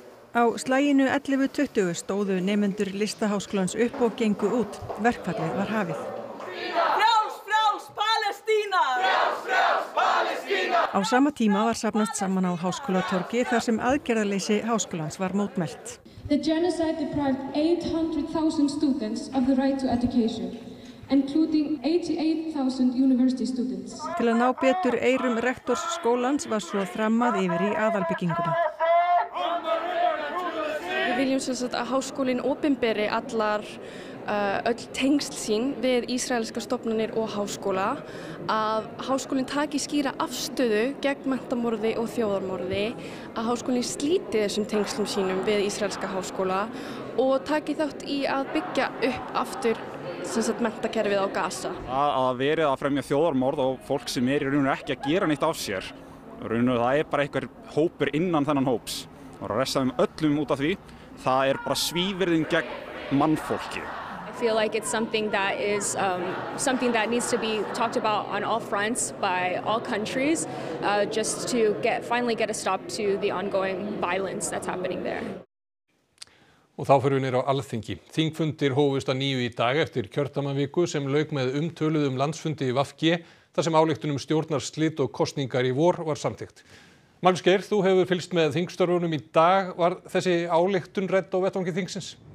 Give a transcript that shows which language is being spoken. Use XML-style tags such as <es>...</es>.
<is>Á slaginu 11.20 stóðu nemendur listaháskólans upp og gengu út. Verkfallið var hafið. Frjáls, frjáls, Palestína! Frjáls, frjáls, Palestína! Á sama tíma var safnast saman á háskólatorgi þar sem aðgerðaleysi háskólans var mótmælt.</is> <en>The genocide deprived 800,000 students of the right to education. Including 88,000 university students.</en> <is>Til að ná betur eyrum rektors skólans var svo þrammað yfir í aðalbygginguna. Við viljum sem sagt að háskólinn opinberi allar öll tengsl sín við ísraelska stofnanir og háskóla, að háskólinn taki skýra afstöðu gegn menntamorði og þjóðarmorði, að háskólinn slíti þessum tengslum sínum við ísraelska háskóla og taki þátt í að byggja upp aftur sem sagt menntakerfið á Gaza. Að verið að fremja þjóðarmorð og fólk sem í rauninni ekki að gera neitt af sér. Rauninni það bara einhver hópur innan þennan hóps. Og að ressa öllum út af því, það bara svívirðing gegn mannfólki.</is> <en>I feel like it's something that is something that needs to be talked about on all fronts by all countries just to finally get a stop to the ongoing violence that's happening there.</en> <is>Og þá fyrir við nýr á Alþingi. Þingfundir hófust að nýju í dag eftir kjördæmaviku sem lauk með umtöluðum landsfundi í VG, þar sem ályktunum stjórnar slit og kosningar í vor var samþykkt. Malmsgeir, þú hefur fylgst með þingstörfunum í dag. Var þessi ályktun rædd á vettvangi þingsins?</is>